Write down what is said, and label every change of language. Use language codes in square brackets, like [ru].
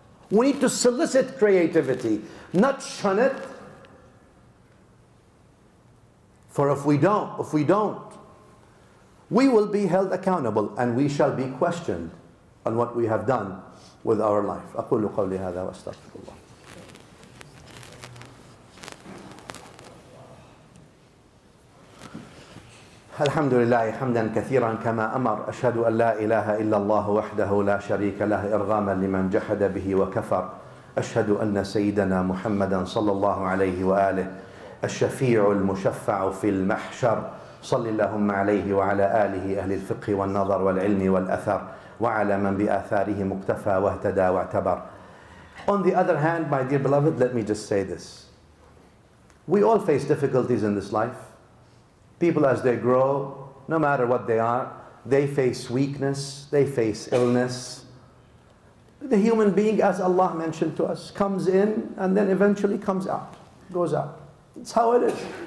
[en] We need to solicit creativity, not shun it. For if we don't, we will be held accountable and we shall be questioned on what we have done with our life. [ar] أقول قولي هذا وأستغفر الله. الحمد لله حمدا كثيرا كما أمر أشهد أن لا إله إلا الله وحده لا شريك له إرغاما لمن جحد به وكفر أشهد أن سيدنا محمدا صلى الله عليه وآله الشفيع المشفع في المحشر صل اللهم عليه وعلى آله أهل الفقه والنظر والعلم والأثر وعلى من بآثاره مقتفى واهتدى واعتبر. [en] On the other hand, my dear beloved, let me just say this. We all face difficulties in this life. People, as they grow, no matter what they are, they face weakness, they face illness. The human being, as Allah mentioned to us, comes in and then eventually comes out, goes out. It's how it is.